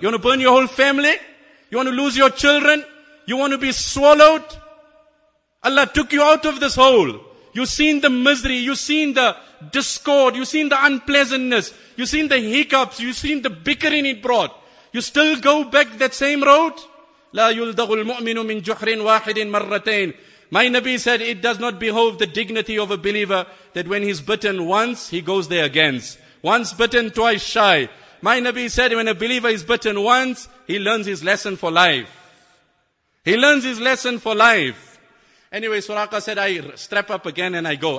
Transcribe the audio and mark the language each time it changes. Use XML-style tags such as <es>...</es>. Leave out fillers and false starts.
<en>You want to burn your whole family? You want to lose your children? You want to be swallowed? Allah took you out of this hole. You've seen the misery, you've seen the discord, you've seen the unpleasantness, you've seen the hiccups, you've seen the bickering it brought. You still go back that same road?</en> <ar>لا يلدغ المؤمن من جحر واحد مرتين.</ar> <en>My Nabi said, it does not behove the dignity of a believer that when he's bitten once, he goes there again. Once bitten, twice shy. My Nabi said, when a believer is bitten once, he learns his lesson for life. He learns his lesson for life. Anyway, Suraqa said, I strap up again and I go.</en>